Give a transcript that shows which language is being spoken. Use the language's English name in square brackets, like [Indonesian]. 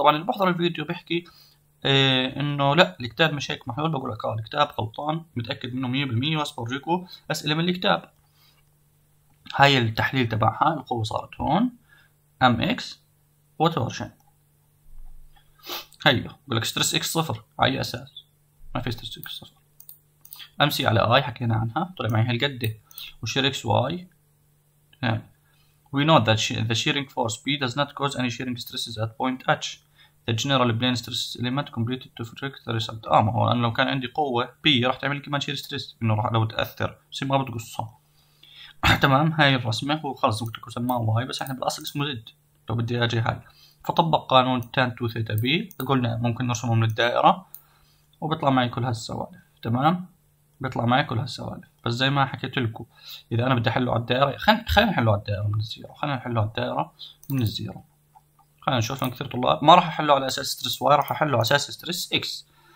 [Arabic] طبعا اللي بحضر الفيديو بيحكي انه لا الكتاب مش هيك محلول، بقول لك الكتاب غلطان، متاكد منه 100%، بس بورجيكو اسئله من الكتاب. هاي التحليل تبعها، القوه صارت هون ام اكس وتورشن، هيو بقول لك ستريس اكس صفر على اي اساس؟ ما في ستريس اكس صفر. ام سي على اي حكينا عنها، طلع معي هالقد، وشير اكس واي [English] We know that the shearing force P does not cause any shearing stresses at point H. The general plane stress element computed to predict the result. [Arabic] ما هو أنا لو كان عندي قوة P راح تعمل كمان shear stress، إنه راح لو تأثر بس ما بتقصها. تمام، هاي الرسمة هو خلص قلت لكم سماها واي، بس إحنا بالأصل اسمه زد. لو بدي أجي هاي، فطبق قانون tan 2 theta B، قلنا ممكن نرسمه من الدائرة وبيطلع معي كل هالسوالف، تمام؟ بيطلع معي كل هالسوالف، بس زي ما حكيت لكم اذا انا بدي احله على الدائره، خلينا نحله على الدائره من الزيرو، خلينا نشوف من كثير طلاب، ما راح احله على اساس ستريس واي، راح احله على اساس ستريس اكس.